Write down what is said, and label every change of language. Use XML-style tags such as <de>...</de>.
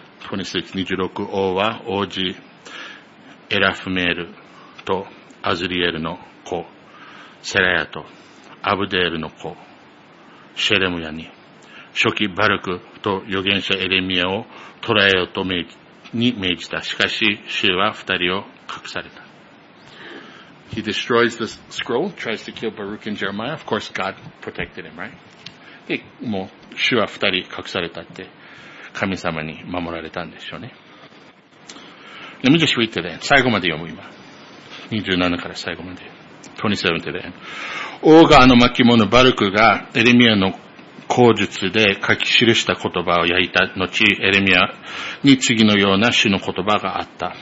<ja>26、王は王子エラフメールとアズリエルの子、セラヤとアブデールの子、シェレムヤに、初期バルクと預言者エレミアを捕らえようと命じ、に命じた。しかし、主は二人を隠された。</ja> <en>He destroys the scroll, tries to kill Baruch and Jeremiah. Of course, God protected him, right?</en> <ja>で、もう、主は二人隠されたって、神様に守られたんでしょうね。</ja> <en>Let me just read to them.</en> <ja>最後まで読む今。27から最後まで。</ja> <en>27 to them.</en> <ja>王があの巻物バルクがエレミアの口述で書き記した言葉を焼いた後、エレミアに次のような主の言葉があった。</ja>